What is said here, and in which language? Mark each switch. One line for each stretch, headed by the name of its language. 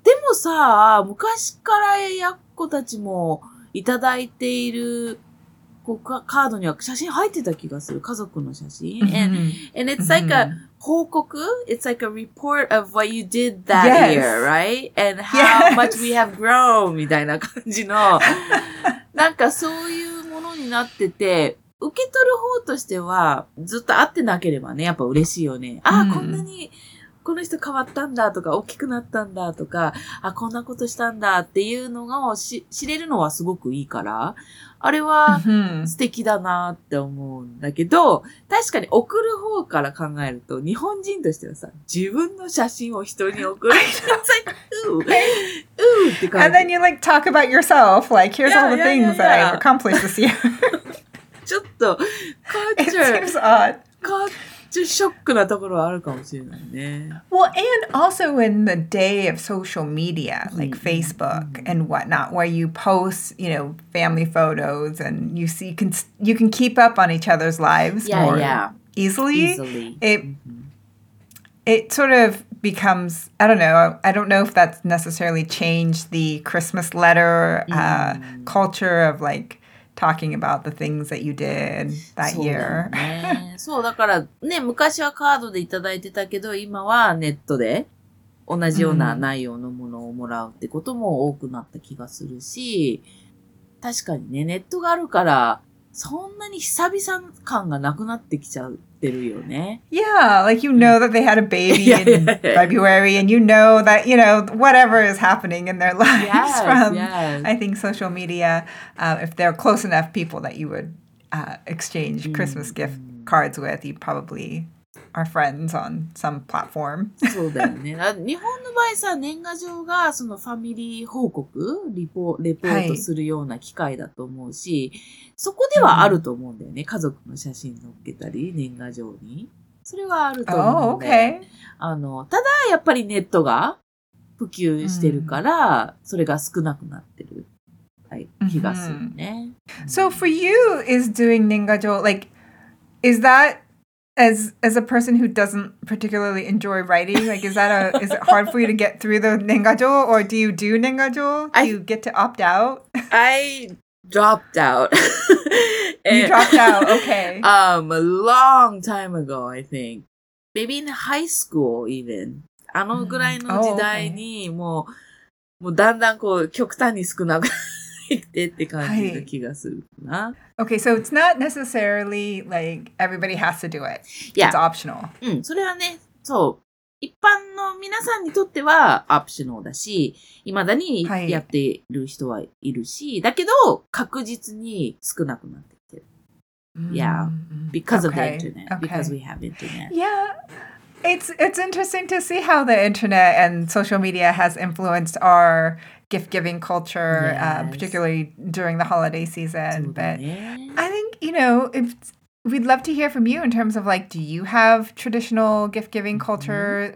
Japanese: でもさ、昔からやっこたちもいただいているこうカードには写真入ってた気がする。家族の写真。
English: and it's like a 報告 It's like a report of what you did that、 yes. year, right? And how、 yes. much we have grown
Japanese: みたいな感じの。なんかそういうものになってて、受け取る方としてはずっと会ってなければね、やっぱ嬉しいよね。あ、mm. こんなに、この人変わったんだとか大きくなったんだとかあこんなことしたんだっていうのを知れるのはすごくいいからあれは素敵だなって思うんだけど確かに送る方から考えると日本人としてはさ自分の写真を人に送る
English: It's like ooh ooh
Japanese: って感じ
English: And then you like talk about yourself like here's all the things yeah, yeah, yeah. that I've accomplished this year
Japanese: ちょっと culture
English: It seems odd Well, and also in the day of social media, like mm-hmm. Facebook mm-hmm. and whatnot, where you post, you know, family photos and you see, you can keep up on each other's lives yeah, more yeah. easily. It sort of becomes, I don't know, I don't know if that's necessarily changed the Christmas letter mm-hmm. Culture of like,talking about the things that you did that year.
Japanese: そうだからね、昔はカードでいただいてたけど、今はネットで同じような内容のものをもらうってことも多くなった気がするし、確かにね、ネットがあるから、そんなに久々感がなくなってきちゃってるよね。
English: Yeah, like you know that they had a baby in February and you know that, you know, whatever is happening in their lives yes, from, yes. I think, social media,、if they're close enough people that you would、exchange Christmas gift cards with, you probably are friends on some platform.
Japanese: そうだよね。日本の場合さ、年賀状がそのファミリー報告、レポートするような機会だと思うし、はい、そこではあると思うんだよね。家族の写真載っけたり、年賀状に。それはあると思うんだよ。
English: Oh, okay.
Japanese: ただ、やっぱりネットが普及してるから、それが少なくなってる、はい、気がするね。
English: So for you, is doing 年賀状、like, is that... As a person who doesn't particularly enjoy writing, like is it hard for you to get through the 年賀状 or do you do 年賀状? Do you get to opt out? I dropped out. You dropped out, okay. A long time ago, I think. Maybe in high school, even.
Japanese: あのぐらいの時代にもうだんだんこう極端に少なく
English: Okay, so it's not necessarily like everybody has to do it. Yeah. It's optional.
Japanese: それはね、そう。一般の皆さんにとってはオプショナルだし、未だにやっている人はいるし、だけど確実に少なくなってきてる。
English: Yeah. Because of the internet. Because we have internet. Yeah. It's interesting to see how the internet and social media has influenced our gift-giving culture, yes. Particularly during the holiday season. But
Japanese: ね.
English: I think, you know, we'd love to hear from you in terms of, like, do you have traditional gift-giving culture mm-hmm.